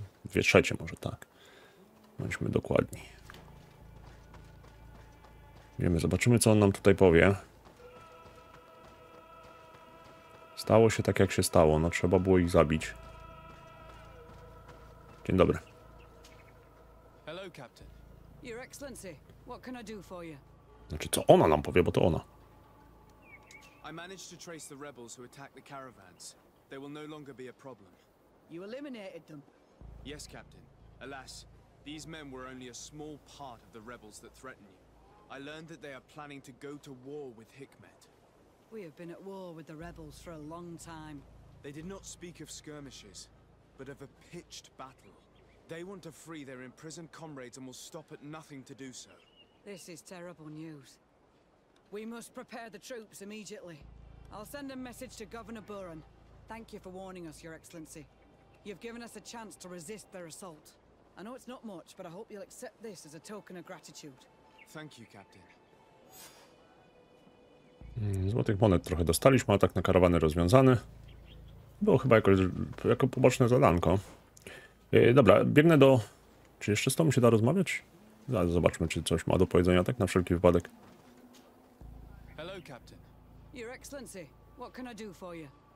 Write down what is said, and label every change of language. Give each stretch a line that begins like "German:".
Polish: Dwie trzecie może tak. Bądźmy dokładni. Wiemy, zobaczymy co on nam tutaj powie. Stało się tak jak się stało. No trzeba było ich zabić. Dzień dobry.
English: Hello, Captain. Your Excellency, what can I do for you?
Polish: Znaczy, co ona nam powie, bo to ona.
English: I managed to trace the rebels who attacked the caravans. They will no longer be a problem. You eliminated them? Yes, Captain. Alas, these men were only a small part of the rebels that threatened you. I learned that they are planning to go to war with Hikmet. We have been at war with the rebels for a long time. They did not speak of skirmishes, but of a pitched battle. They want to free their imprisoned comrades and will stop at nothing to do so. This is terrible news. We must prepare the troops immediately. I'll send a message to Governor Buren. Thank you for warning us, Your Excellency. You've given us a chance to resist their assault. I know it's not much, but I hope you'll accept this as a token of gratitude. Thank you, Captain.
Polish: Złotych monet trochę dostaliśmy, atak na karawany rozwiązany. Było chyba jako poboczne zadanko. Dobra, biegnę do... Czy jeszcze z tobą się da rozmawiać? Zaraz zobaczmy, czy coś ma do powiedzenia, tak na wszelki wypadek.
English: Hello, Captain. Your Excellency, what can I do for you?